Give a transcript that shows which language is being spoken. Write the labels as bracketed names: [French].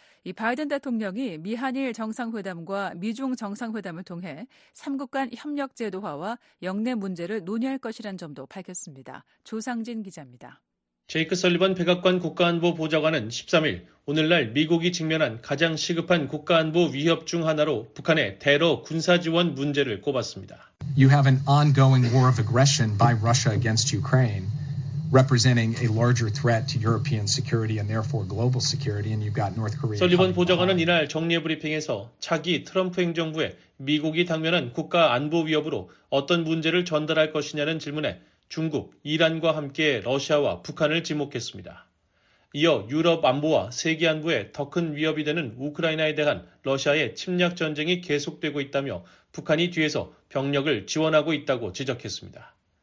[Korean] 이 바이든 대통령이 미한일 정상회담과 미중 정상회담을 통해 3국 간 협력 제도화와 영내 문제를 논의할 것이란 점도 밝혔습니다. 조상진 기자입니다. 제이크 설리번 백악관 국가안보보좌관은 13일 오늘날 미국이 직면한 가장 시급한 국가안보 위협 중 하나로 북한의 대러 군사 지원 문제를 꼽았습니다. [English] You have an ongoing war of aggression by Russia against Ukraine. Representing a larger threat to European security and therefore global security, and you've got North Korea. [Korean] 설리번 보좌관은 이날 정례 브리핑에서 차기 트럼프 행정부에 미국이 당면한 국가 안보 위협으로 어떤 문제를 전달할 것이냐는 질문에 중국, 이란과 함께 러시아와 북한을 지목했습니다. 이어 유럽 안보와 세계 안보에 더 큰 위협이 되는 우크라이나에 대한 러시아의 침략 전쟁이 계속되고 있다며 북한이 뒤에서 병력을 지원하고 있다고 지적했습니다.